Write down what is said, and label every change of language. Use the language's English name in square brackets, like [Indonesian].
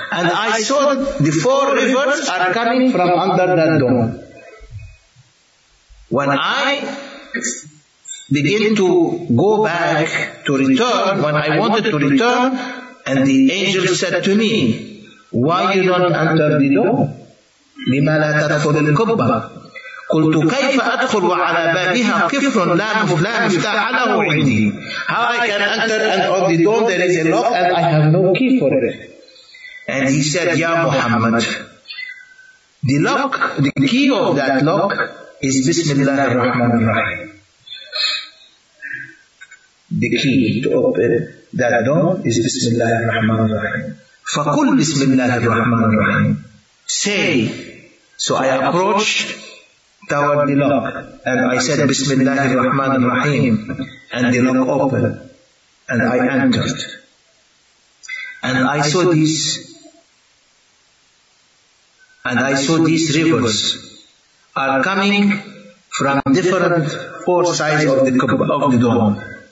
[English] And I saw the four rivers are coming from under that dome. When I begin to go back, to return, when I wanted to return, and the angel said to me, why you don't enter the dome? [Arabic] لِمَا لَا تَدْخُلِ الْقُبَّةِ. قلت كيف أدخل على بابها كفر لا مفتاح له عندي. [English] How I can enter and on the door there is a lock and I have no key for it. And he said, [Arabic] يا محمد, [English] the lock, the key of that lock is [Arabic] بسم الله الرحمن الرحيم. [English] The key to open that door is [Arabic] بسم الله الرحمن الرحيم. فقل بسم الله الرحمن الرحيم. [English] Say. So I approached toward the lock. And I said, Bismillah ar-Rahman ar-Rahim. And the lock opened. And I entered. And I saw these. And I saw these rivers are coming from different four sides of the dome.